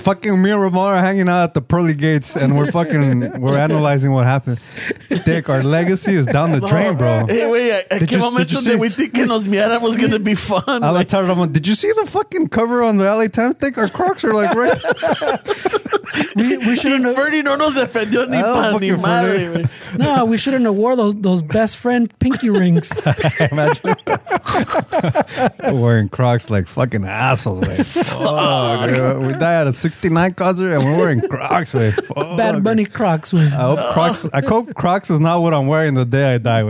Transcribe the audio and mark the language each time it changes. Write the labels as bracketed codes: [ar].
[en] Fucking me and Ramon are hanging out at the pearly gates and we're analyzing what happened. Dick, our legacy is down the drain, bro. Hey, wait. At [es] qué momento [en] did we think [es] que nos miaran [en] was going to be fun? I like telling Ramon, did you see the fucking cover on the LA Times? I think our Crocs are like right. we shouldn't. [es] Ferdy no nos defendió ni pan ni madre. [en] No, we shouldn't have wore those best friend pinky rings. Imagine wearing Crocs like fucking assholes, man. Fuck. We died at a 69 concert and we're wearing Crocs, man. Bad bunny Crocs, man. I hope Crocs is not what I'm wearing the day I die, man.